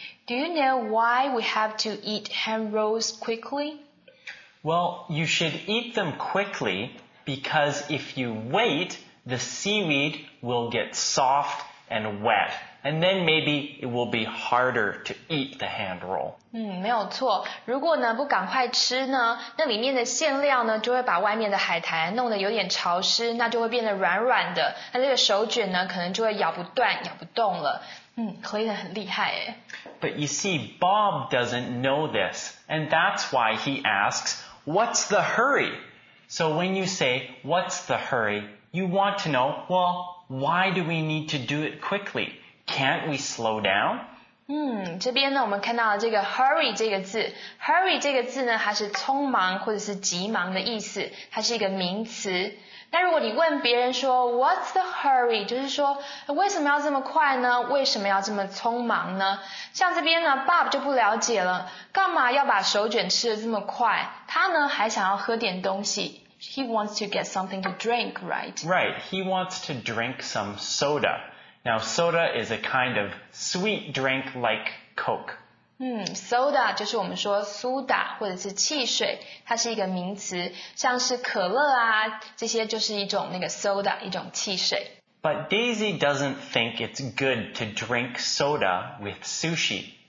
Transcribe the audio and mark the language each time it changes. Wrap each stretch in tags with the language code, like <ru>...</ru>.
<en>Do you know why we have to eat ham rolls quickly? Well, you should eat them quickly because if you wait, the seaweed will get soft and wet. And then maybe it will be harder to eat the hand roll.</en> <zh>没有错。如果呢不赶快吃呢，那里面的馅料呢就会把外面的海苔弄得有点潮湿，那就会变得软软的。那这个手卷呢可能就会咬不断，咬不动了。 Clayton 很厉害耶。</zh> <en>But you see, Bob doesn't know this, and that's why he asks, "What's the hurry?" So when you say, "What's the hurry?" you want to know, well, why do we need to do it quickly? Can't we slow down?</en> <zh>这边呢我们看到了这个 hurry 这个字。Hurry 这个字呢它是匆忙或者是急忙的意思。它是一个名词。那如果你问别人说</zh> <en>what's the hurry?</en> <zh>就是说为什么要这么快呢为什么要这么匆忙呢像这边呢 Bob 就不了解了。干嘛要把手卷吃得这么快他呢还想要喝点东西。</zh> <en>He wants to get something to drink, right? Right, he wants to drink some soda. Now, soda is a kind of sweet drink like Coke.</en> <zh>Soda 就是我们说苏打或者是汽水，它是一个名词，像是可乐啊，这些就是一种那个 soda, 一种汽水。</zh> <en>But Daisy doesn't think it's good to drink soda with sushi.</en>